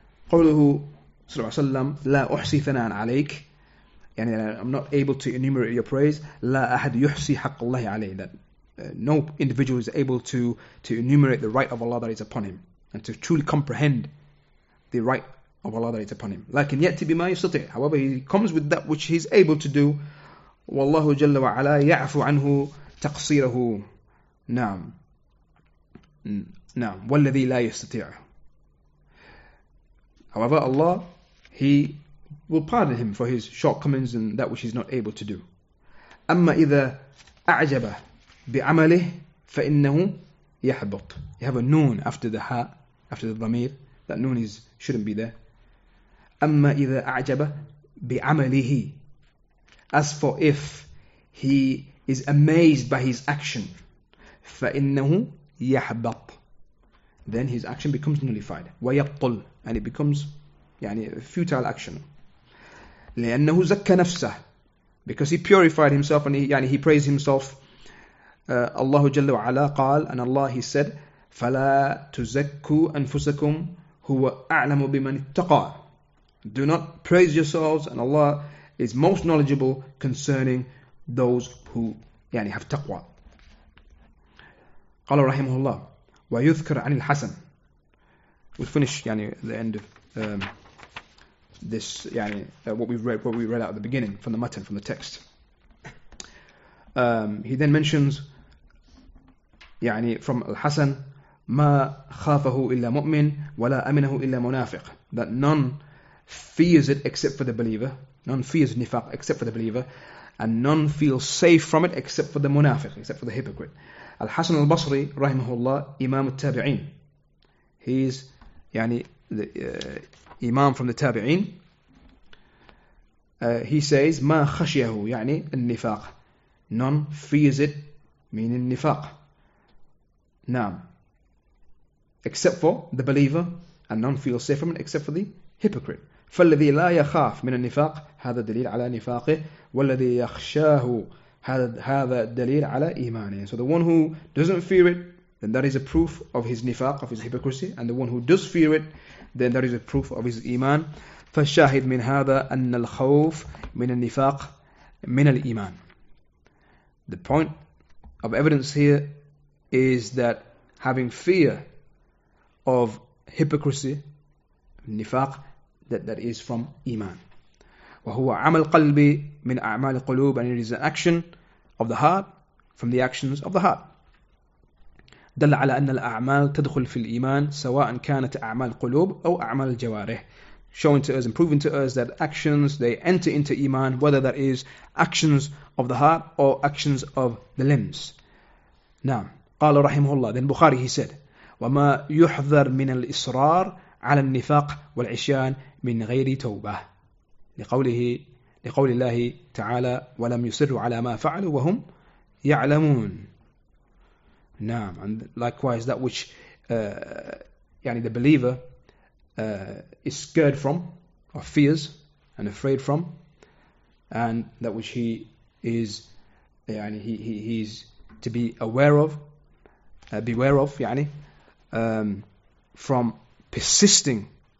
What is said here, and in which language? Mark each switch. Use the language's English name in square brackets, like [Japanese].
[Arabic] قوله صلى الله عليه وسلم لا أحصي ثناء عليك. يعني [English] I'm not able to enumerate your praise. [Arabic] لا أحد يحصي حق الله عليه. [English] no individual is able to enumerate the right of Allah that is upon him, and to truly comprehend the right of Allah that is upon him. [Arabic] لكن يأتي بما يستطيع. [English] However, he comes with that which he's able to do. [Arabic] والله جل وعلا يعفو عنه تقصيره. نعم. نعم. والذي لا يستطيع. [English] However, Allah, He will pardon him for his shortcomings and that which he's not able to do. [Arabic] أما إذا أعجب بعمله فإنه يحبط. [English] You have a noon after the ha, after the dhamir. That noon is shouldn't be there. [Arabic] أما إذا أعجب بعمله. [English] As for if he is amazed by his action, [Arabic] فإنه يحبط. [English] Then his action becomes nullified. [Arabic] ويبطل. [English] And it becomes يعني futile action. [Arabic] لأنه زكى نفسه. [English] Because he purified himself and he praised himself. [Arabic] Allah جل وعلا قال, [English] and Allah He said, [Arabic] فلا تزكوا أنفسكم هو أعلم بمن اتقى. [English] Do not praise yourselves, and Allah is most knowledgeable concerning those who يعني have taqwa. [Arabic] قال رحمه الله ويذكر عن الحسن. [English] We'll finish يعني the end of this يعني what we read out at the beginning from the matan, from the text. He then mentions [Arabic] يعني from الحسن ما خافه إلا مؤمن ولا أمنه إلا منافق. [English] That none fears it except for the believer. None fears nifaq except for the believer, and none feels safe from it except for the munafiq, except for the hypocrite. Al-Hasan al-Basri, rahimahullah, Imam al-Tabi'in. He is, yani, the Imam from the Tabi'in. He says, [Arabic] ما خشيه, يعني النفاق. [English] None fears it, meaning nifaq. Naam. Except for the believer, and none feels safe from it except for the hypocrite. [Arabic] فالذي لا يخاف من النفاق هذا دليل على نفاقه والذي يخشاه هذا دليل على إيمانه. [English] So the one who doesn't fear it, then that is a proof of his nifaq, of his hypocrisy. And the one who does fear it, then that is a proof of his إيمان. [Arabic] فالشاهد من هذا أن الخوف من النفاق من الإيمان. [English] The point of evidence here is that having fear of hypocrisy, nifaq, that is from iman. [Arabic] وَهُوَ عَمَلْ الْقَلْبِ مِنْ أَعْمَالِ الْقُلُوبِ. [English] And it is an action of the heart, from the actions of the heart. [Arabic] دَلَّ عَلَى أَنَّ الْأَعْمَالِ تَدْخُلْ فِي الْإِيمَانِ سَوَاءً كَانَتْ أَعْمَالِ الْقُلُوبِ أَوْ أَعْمَالِ الْجَوَارِحِ. [English] Showing to us and proving to us that actions, they enter into iman, whether that is actions of the heart or actions of the limbs. [Arabic] نعم. قال رحمه الله. [English] Then Bukhari, he said, [Arabic] وَمَا يُحْذَرْ مِنَ الْإِصْرَارِ على النفاق والعشيان من غير توبة لقول الله تعالى ولم يسروا على ما فعلوا وهم يعلمون. نعم. [English] And likewise, that which يعني the believer is scared from or fears and afraid from, and that which he is يعني he is to be aware of, beware of يعني from persisting